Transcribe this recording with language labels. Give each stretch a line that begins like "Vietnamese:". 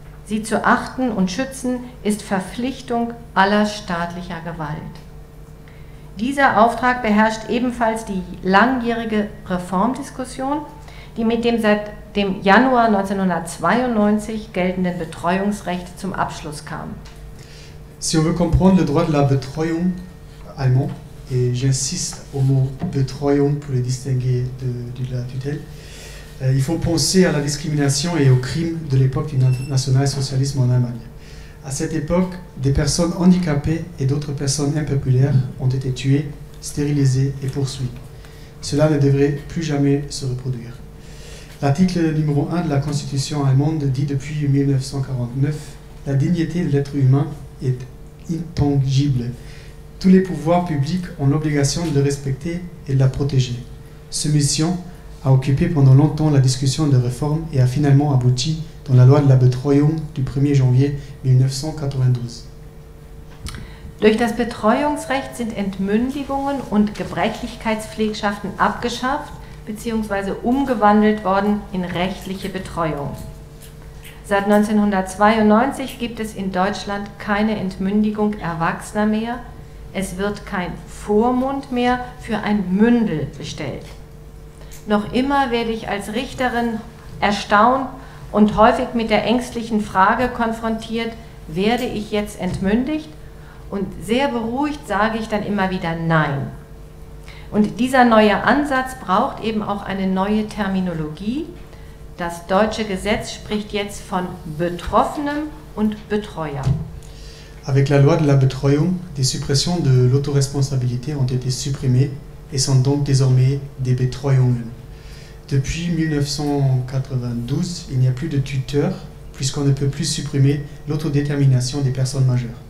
German: Sie zu achten und schützen ist Verpflichtung aller staatlicher Gewalt. Dieser Auftrag beherrscht ebenfalls die langjährige Reformdiskussion, die mit dem seit dem Januar 1992 geltenden Betreuungsrecht zum Abschluss kam.
French: Si on veut comprendre le droit de la Betreuung allemand, et j'insiste au mot Betreuung pour le distinguer de la tutelle, il faut penser à la discrimination et aux crimes de l'époque du national-socialisme en Allemagne. À cette époque, des personnes handicapées et d'autres personnes impopulaires ont été tuées, stérilisées et poursuivies. Cela ne devrait plus jamais se reproduire. L'article numéro 1 de la Constitution allemande dit depuis 1949 « La dignité de l'être humain est intangible. Tous les pouvoirs publics ont l'obligation de le respecter et de la protéger. » Ce mission a occupé pendant longtemps la discussion de réforme et a finalement abouti dans la loi de la Betreuung du 1er janvier 1992.
German: Durch das Betreuungsrecht sind Entmündigungen und Gebrechlichkeitspflegschaften abgeschafft bzw. umgewandelt worden in rechtliche Betreuung. Seit 1992 gibt es in Deutschland keine Entmündigung Erwachsener mehr. Es wird kein Vormund mehr für ein Mündel bestellt. Noch immer werde ich als Richterin erstaunt und häufig mit der ängstlichen Frage konfrontiert, werde ich jetzt entmündigt? Und sehr beruhigt sage ich dann immer wieder nein. Und dieser neue Ansatz braucht eben auch eine neue Terminologie. Das deutsche Gesetz spricht jetzt von Betroffenem und Betreuer.
French: Avec la loi de la Betreuung, die Suppression de l'autoresponsabilité ont été supprimées. Et sont donc désormais des Betreuungen. Depuis 1992, il n'y a plus de tuteurs, puisqu'on ne peut plus supprimer l'autodétermination des personnes majeures.